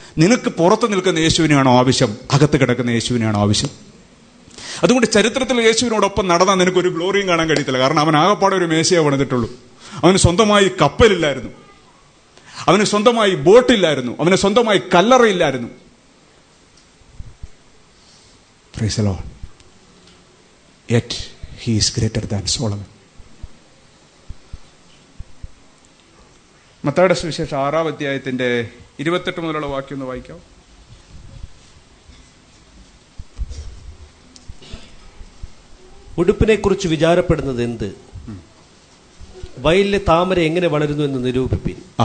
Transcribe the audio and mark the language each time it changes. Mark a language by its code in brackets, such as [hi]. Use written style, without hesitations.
[ml] നിനക്ക് പുറത്ത് നിൽക്കുന്ന യേശുവിനെയാണോ ആവശ്യം? അകത്ത് കിടക്കുന്ന യേശുവിനെയാണോ ആവശ്യം? അതുകൊണ്ട് ചരിത്രത്തിൽ യേശുവിനോടൊപ്പം നടന്നാൽ നിനക്കൊരു ഗ്ലോറിയും കാണാൻ കഴിയത്തില്ല. കാരണം അവൻ ആകപ്പാടെ ഒരു മേശയെ പണിതിട്ടുള്ളൂ. അവന് സ്വന്തമായി കപ്പലില്ലായിരുന്നു, അവന് സ്വന്തമായി ബോട്ടില്ലായിരുന്നു, അവന് സ്വന്തമായി കല്ലറയില്ലായിരുന്നു. Praise the Lord. [en] Yet he is greater than Solomon. [ml] മത്തായിയുടെ സുവിശേഷം 6:28 മുതലുള്ള വാക്യം ഒന്ന് വായിക്കാം. ഉടുപ്പിനെ കുറിച്ച് വിചാരപ്പെടുന്നത് എന്ത്? വയലിലെ താമര എങ്ങനെ വളരുന്നു എന്ന് നിരൂപിപ്പിൻ.